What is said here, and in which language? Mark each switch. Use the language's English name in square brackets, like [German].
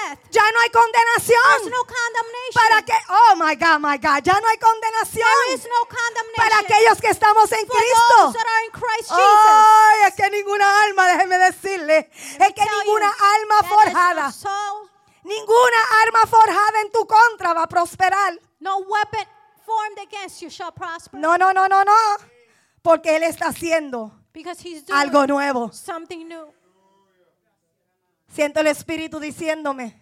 [Spanish] Ya no hay condenación. ¿Para qué? [English] Oh my God. [Spanish] Ya no hay condenación. Para aquellos que estamos en Cristo. Ay, es que ninguna alma, déjeme decirle, es que ninguna alma forjada, ninguna arma forjada en tu contra va a prosperar. [English] No weapon formed against you shall prosper. [Spanish] No. Porque Él está haciendo algo nuevo. [English] Something new. [Spanish] Siento el Espíritu diciéndome,